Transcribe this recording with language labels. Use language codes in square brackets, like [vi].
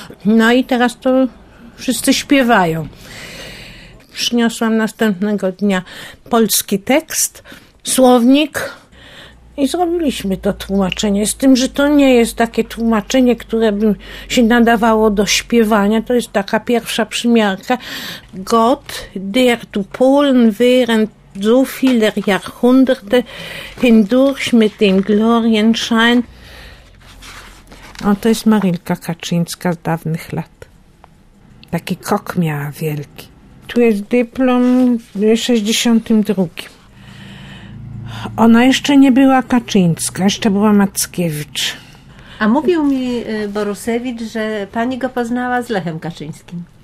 [pl] No i teraz to wszyscy śpiewają. Przyniosłam następnego dnia polski tekst, słownik, i zrobiliśmy to tłumaczenie. Z tym, że to nie jest takie tłumaczenie, które by się nadawało do śpiewania. To jest taka pierwsza przymiarka. [de] Gott, der du Polen während so viele Jahrhunderte hindurch mit dem Glorienschein. [pl] O, to jest Marilka Kaczyńska z dawnych lat. Taki kok miała wielki. Tu jest dyplom w 62. Ona jeszcze nie była Kaczyńska, jeszcze była Mackiewicz. A mówił mi Borusewicz, że pani go poznała z Lechem Kaczyńskim.